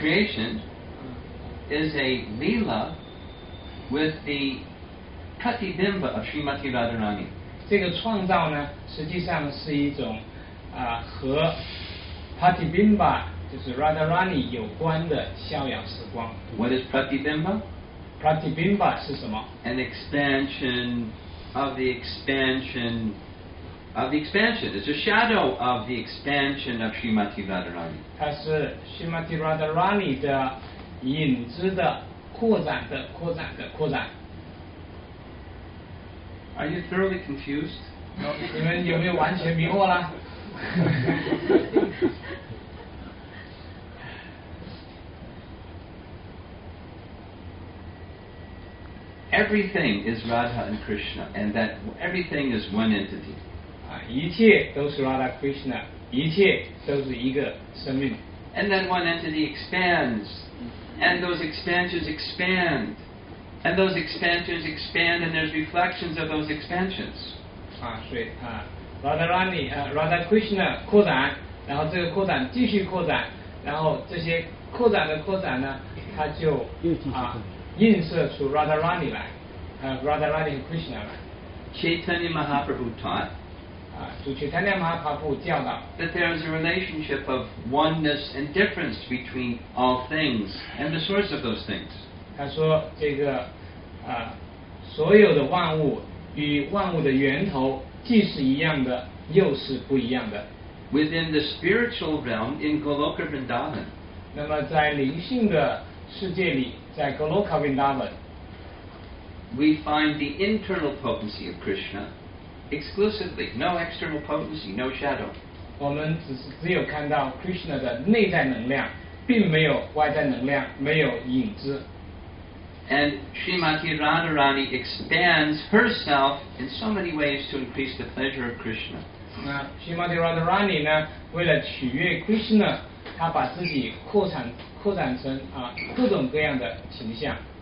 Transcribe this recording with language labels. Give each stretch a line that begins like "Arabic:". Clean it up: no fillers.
English: Creation is a lila with the pratibimba of Srimati Radharani.
Chinese: 这个创造呢，实际上是一种啊、和 Pratibimba 就是 Radharani 有关的逍遥时光。
English: What is Pratibimba?
Chinese: Pratibimba 是什么
English: ？An expansion of the expansion of the expansion. It's a shadow of the expansion of Srimati Radharani.
Chinese: 它是 Srimati Radharani 的影子的扩展的扩展的扩展。
English: Are you thoroughly confused?
Chinese: No, 你们有没有完全迷惑啦？
English: Everything is Radha and Krishna, and that everything is one entity.
Chinese: 啊，一切都是 Radha Krishna， 一切都是一个生命。
English: And then one entity expands, and those expansions expand. And those expansions expand, and there's reflections of those expansions.
Chinese: Ah, so Radharani, Radha Krishna, 扩展，然后这个扩展继续扩展，然后这些扩展的扩展呢，它就映射出 Radharani 来，Radharani and Krishna 来。
English: Chaitanya Mahaprabhu taught.
Chinese: Chaitanya Mahaprabhu 教导。
English: That there is a relationship of oneness and difference between all things and the source of those things.
Chinese: 他说这个所有的万物与万物的源头既是一样的又是不一样的。
English: Within the spiritual realm in Goloka Vrindavan.
Chinese: 那么在灵性的世界里在 Goloka Vrindavan.
English: We find the internal potency of Krishna. exclusively, no external potency, no shadow.
Chinese: 我们只有看到 Krishna 的内在能量, 并没有外在能量, 没有影子。
English: And Srimati Radharani expands herself in so many ways to increase the pleasure of Krishna.
Chinese: Srimati Radharani, 为了取悦 Krishna, 她把自己扩展成各种各样的形象。